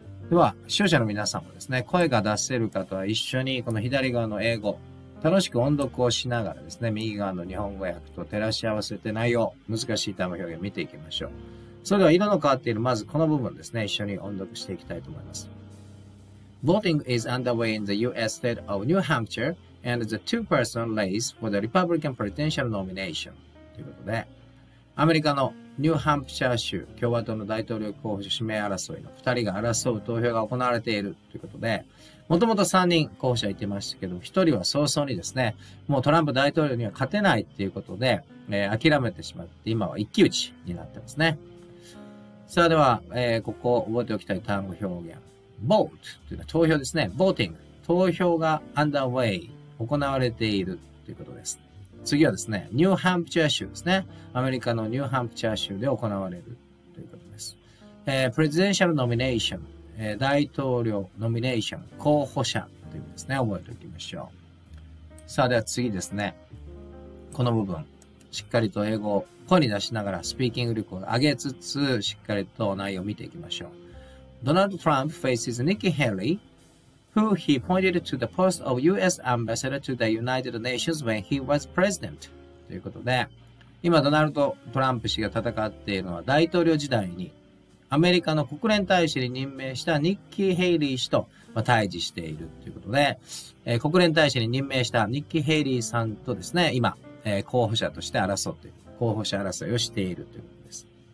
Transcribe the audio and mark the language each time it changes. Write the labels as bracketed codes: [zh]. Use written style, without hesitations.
[ja] では、視聴者の皆さんもですね、声が出せる方は一緒にこの左側の英語、楽しく音読をしながらですね、右側の日本語訳と照らし合わせて内容、難しい単語表現見ていきましょう。それでは色の変わっているまずこの部分ですね、一緒に音読していきたいと思います。 [en] Voting is underway in the U.S. state of New Hampshire and the two-person race for the Republican presidential nomination. [ja] ということで、アメリカのニューハンプシャー州共和党の大統領候補指名争いの2人が争う投票が行われているということで、もともと3人候補者いてましたけど、1人は早々にですね、もうトランプ大統領には勝てないっていうことで、諦めてしまって、今は一騎打ちになってますね。さあでは、ここを覚えておきたい単語表現。 Vote というか投票ですね。Voting。 投票が underway。行われているということです。次はですね、ニューハンプチャー州ですね。アメリカのニューハンプチャー州で行われるということです。 [en] Presidential Nomination。 [ja] 大統領ノミネーション。候補者というですね。覚えておきましょう。さあでは次ですね。この部分。しっかりと英語を声に出しながら、スピーキング力を上げつつ、しっかりと内容を見ていきましょう。 [en] Donald Trump faces Nikki Haley, who he pointed to the post of U.S. ambassador to the United Nations when he was president. [ja] ということで、今ドナルド・トランプ氏が戦っているのは大統領時代にアメリカの国連大使に任命したニッキー・ヘイリー氏と対峙しているということで、国連大使に任命したニッキー・ヘイリーさんとですね、今、候補者として争っている、候補者争いをしているということです。